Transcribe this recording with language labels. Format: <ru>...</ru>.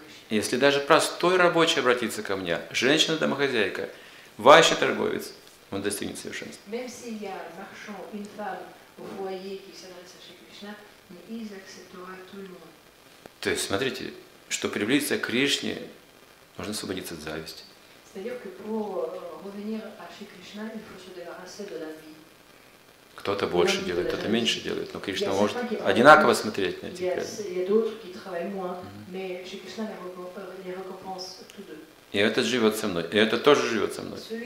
<ru>Если даже простой рабочий обратится ко мне, женщина-домохозяйка, ваша торговец, он достигнет совершенства.</ru> <fr>Même si il y a un marchand, une femme, au foyer qui s'adresse à Shri Krishna, mais il acceptera tout le monde.</fr> <ru>То есть, смотрите, чтобы приблизиться к Кришне, нужно освободиться от зависти.</ru> <fr>C'est-à-dire que pour revenir à Shri Krishna, il faut se débarrasser de l'envie.</fr> <ru>Кто-то больше делает, кто-то меньше делает, но Кришна может одинаково смотреть на этих людей. И этот живет со мной, и этот тоже живет со мной.</ru>